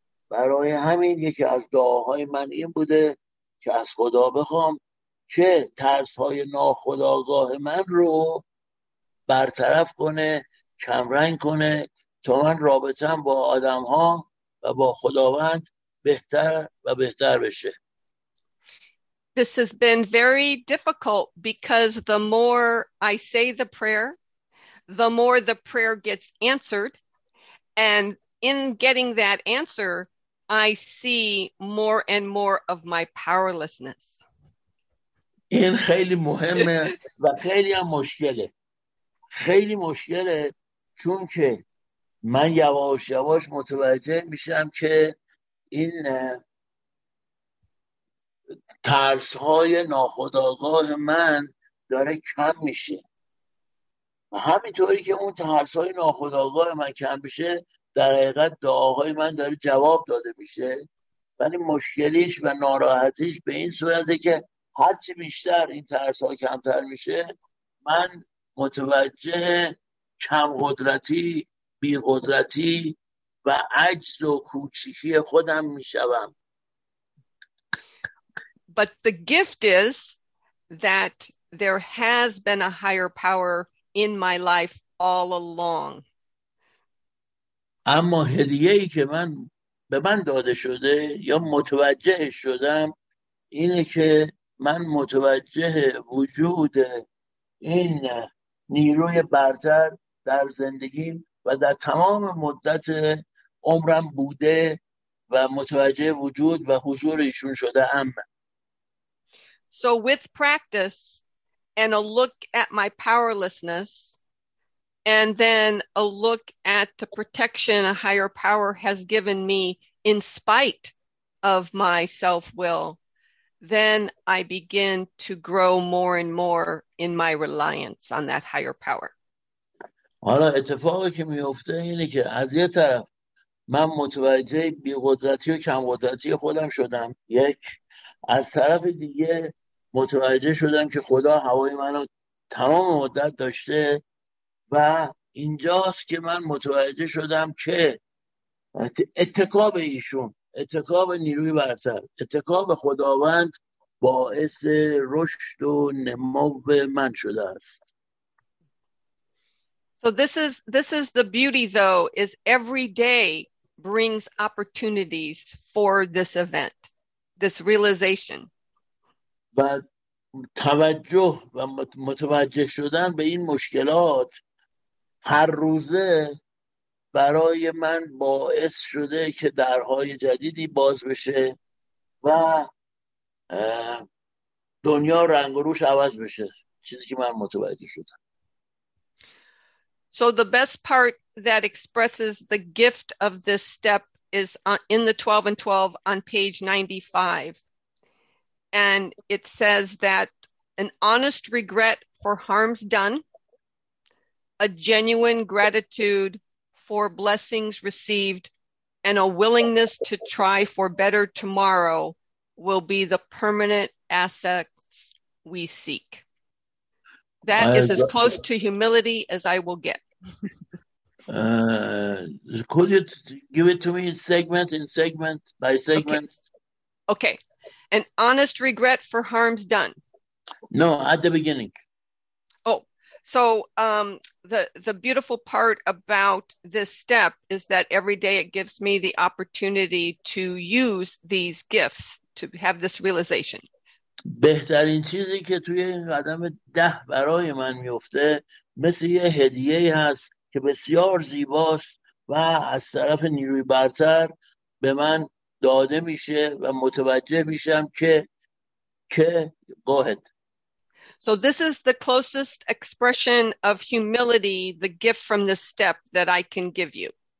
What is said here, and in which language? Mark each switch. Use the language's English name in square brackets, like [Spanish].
[Persian] برای همین یکی از دعاهای من این بوده که از خدا بخوام که ترس های ناخودآگاه من رو برطرف کنه، کمرنگ کنه تا من رابطم با آدم ها و با خداوند بهتر و بهتر بشه. [English] This has been very difficult because the more I say the prayer, the more the prayer gets answered. And in getting that answer, I see more and more of my powerlessness. [Persian] این خیلی مهمه و خیلی هم مشکله. خیلی مشکله چون که من یواش یواش متوجه میشم که این ترس های ناخودآگاه من داره کم میشه. همینطوری که اون ترس های ناخودآگاه من کم بشه، در حقیقت دعاهای من داره جواب داده میشه. ولی مشکلیش و ناراحتیش به این صورته که هرچی بیشتر این ترس ها کمتر میشه، من متوجه کم قدرتی، بی قدرتی و عجز و کوچیکی خودم میشوم. [English] But the gift is that there has been a higher power in my life all along. [Persian] اما هدیه‌ای که من به من داده شده یا متوجه شدم اینه که من متوجه وجود این نیروی برتر در زندگیم و در تمام مدت عمرم بوده و متوجه وجود و حضور ایشون شده ام. [English] So with practice and a look at my powerlessness and then a look at the protection a higher power has given me in spite of my self-will, then I begin to grow more and more in my reliance on that higher power. [Persian] حالا اتفاقی که میفته اینه که از یه طرف من متوجه بی‌قدرتی و کم‌قدرتی خودم شدم، یک. از طرف دیگه متوجه شدم که خدا هوای منو تمام مدت داشته و اینجاست که من متوجه شدم که اتکاب ایشون، اتکاب نیروی برتر، اتکاب خداوند باعث رشد و نمو من شده است. [English] So this is the beauty though, is every day brings opportunities for this event, this realization. [Persian] But توجه و متوجه شدن به این مشکلات هر روزه برای من باعث شده که درهای جدیدی باز بشه و دنیا رنگ و روش عوض بشه، چیزی که من متوجه شدم. [English] So the best part that expresses the gift of this step is in the 12 and 12 on page 95. And it says that an honest regret for harms done, a genuine gratitude for blessings received, and a willingness to try for better tomorrow will be the permanent assets we seek. That is as close to humility as I will get. Could you give it to me segment in segment by segment? Okay. An honest regret for harms done. No, at the beginning. So the beautiful part about this step is that every day it gives me the opportunity to use these gifts to have this realization. [Persian] بهترین چیزی که توی قدم ده برای من میفته مثل یه هدیه هست که بسیار زیباست و از طرف نیروی برتر به من داده میشه و متوجه میشم که قاهد. [English] So this is the closest expression of humility, the gift from this step that I can give you.